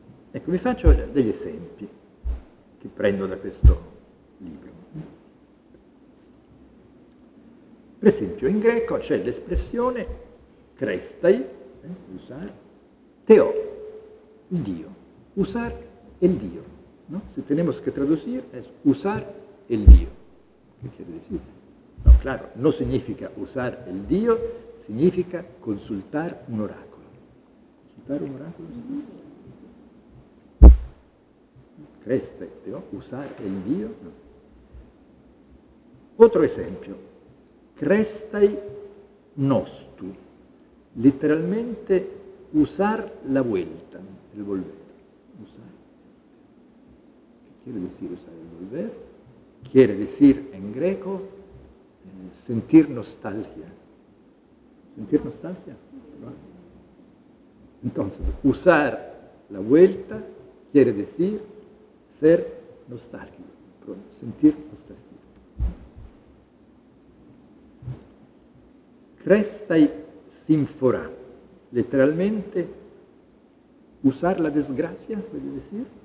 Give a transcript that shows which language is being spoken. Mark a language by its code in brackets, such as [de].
[it] Ecco, vi faccio degli esempi che prendo da questo libro. Per esempio, in greco c'è l'espressione krestai, usare, [es] Teo, el Dio, usar el Dio, ¿no? Si tenemos que traducir es usar el Dio. ¿Qué quiere decir? No, claro, no significa usar el Dio, significa consultar un oráculo. ¿Consultar un oráculo? ¿Crees, Teo? ¿Usar el Dio? No. Otro ejemplo. Crestai nostu. Literalmente, usar la vuelta, el volver. Usar. ¿Qué quiere decir usar el volver? Quiere decir en greco sentir nostalgia. ¿Sentir nostalgia? Entonces, usar la vuelta quiere decir ser nostálgico, sentir nostalgia. [it] Crestai sinfora, letteralmente, [es] usar la desgracia, [it] vuole dire?